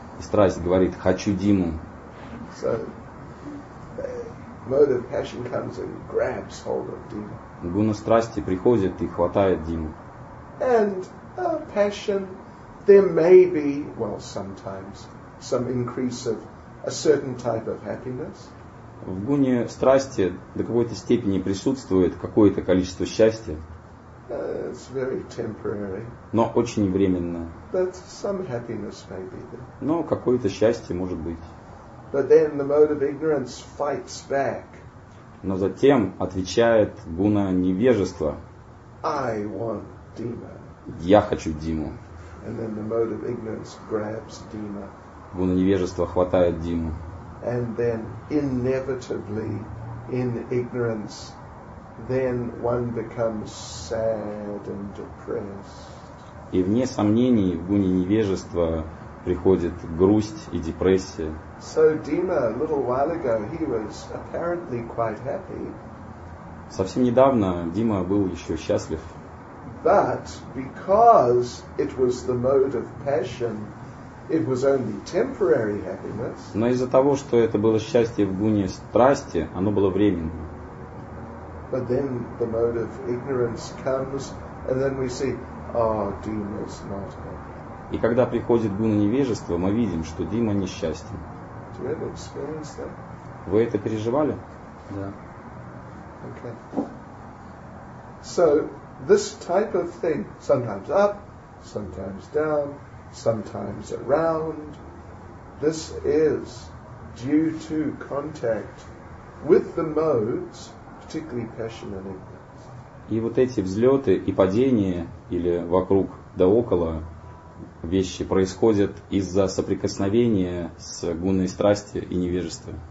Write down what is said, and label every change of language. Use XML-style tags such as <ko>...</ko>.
<ru>И страсть говорит, хочу Диму.</ru> <en>So mode of passion comes and grabs hold of Dima.</en> <ru>Гуна страсти приходит и хватает Диму.</ru> <en>And passion, there may be, well, sometimes, some increase of a certain type of happiness.</en> <ru>В гуне страсти до какой-то степени присутствует какое-то количество счастья.</ru> <en>It's very temporary.</en> <ru>Но очень временно.</ru> <en>But some happiness may be there.</en> <ru>Но какое-то счастье может быть.</ru> <en>But then the mode of ignorance fights back.</en> <ru>Но затем отвечает гуна невежества.</ru> <en>I want Dima.</en> <ru>Я хочу Диму.</ru> <en>And then the mode of ignorance grabs Dima.</en> <ru>Гуна невежества хватает Диму.</ru> <en>And then inevitably in ignorance, then one becomes sad and depressed.</en> <ru>И вне сомнений в гуне невежества приходит грусть и депрессия.</ru> <en>So Dima, a little while ago, he was apparently quite happy.</en> <ru>Совсем недавно Дима был еще счастлив.</ru> <en>But because it was the mode of passion, it was only temporary happiness.</en> <ru>Но из-за того, что это было счастье в гуне страсти, оно было временным.</ru> <en>But then the mode of ignorance comes, and then we see, oh, Dima's not happy.</en> <ru>И когда приходит гуна невежества, мы видим, что Дима несчастен.</ru> <en>Do you ever experience that?</en> <ru>Вы это переживали? Да.</ru> <en>Okay. So this type of thing, sometimes up, sometimes down, sometimes around, this is due to contact with the modes, particularly passion and ignorance.</en> <ru>И вот эти взлеты и падения, или вокруг да около, вещи происходят из-за соприкосновения с гунной страсти и невежества.</ru>